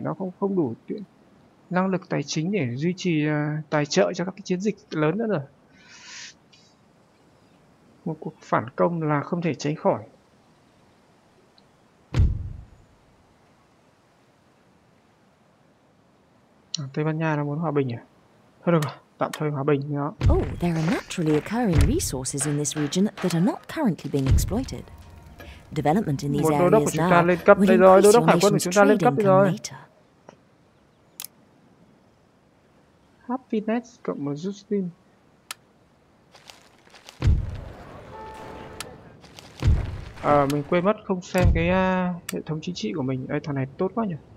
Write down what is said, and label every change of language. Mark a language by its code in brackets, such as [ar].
[vi] Nó không đủ năng lực tài chính để duy trì tài trợ cho các cái chiến dịch lớn nữa rồi. Một cuộc phản công là không thể tránh khỏi. Tây Ban Nha nó muốn hòa bình à? Thôi được rồi, tạm thời hòa bình nhá. [en] Oh, there are naturally occurring resources in this region that are not currently being exploited. Development in these areas now. [vi] Chúng ta lên cấp đây rồi, đô đốc hải quân của chúng ta lên cấp đây rồi. Happiness cộng một Justin. Mình quên mất không xem cái hệ thống chính trị của mình. Ê, thằng này tốt quá nhỉ.